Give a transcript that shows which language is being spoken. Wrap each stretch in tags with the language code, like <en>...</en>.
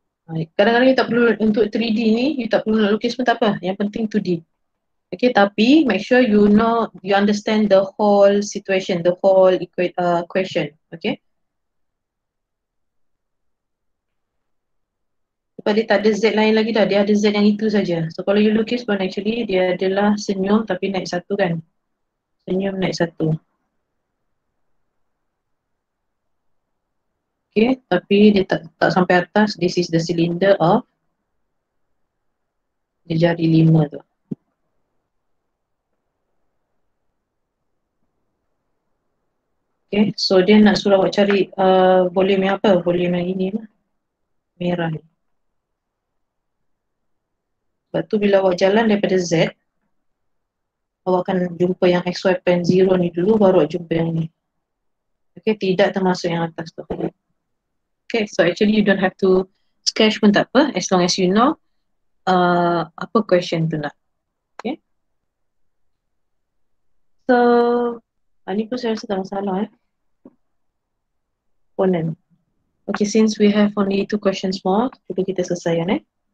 <ms>Baik. Kadang-kadang you tak perlu untuk 3D ni, you tak perlu nak lukis pun tak apa. Yang penting 2D.</ms> <en>Okay, tapi make sure you know, you understand the whole situation, the whole equation. Okay.</en> <ms>Sebab dia tak ada Z lain lagi dah. Dia ada Z yang itu saja. So kalau you lukis pun actually dia adalah senyum tapi naik satu kan. Senyum naik satu. Okay, tapi dia tak sampai atas.</ms> <en>This is the cylinder of the jari 5 tu.</en> <ms>Okay, so dia nak suruh awak cari volume yang apa? Volume yang ini lah. Merah ni. Sebab tu bila awak jalan daripada Z, awak akan jumpa yang XY plane 0 ni dulu, baru awak jumpa yang ni. Okay, tidak termasuk yang atas tu.</ms> <en>Okay, so actually you don't have to sketch</en> <ms>pun tak apa,</ms> <en>as long as you know</en> <ms>apa question tu nak.</ms> <en>Okay.</en> <ms>So, ni pun saya rasa tak masalah eh. Okay,</ms> <en>since we have only two questions more,</en> <ms>kita selesaikan eh.</ms>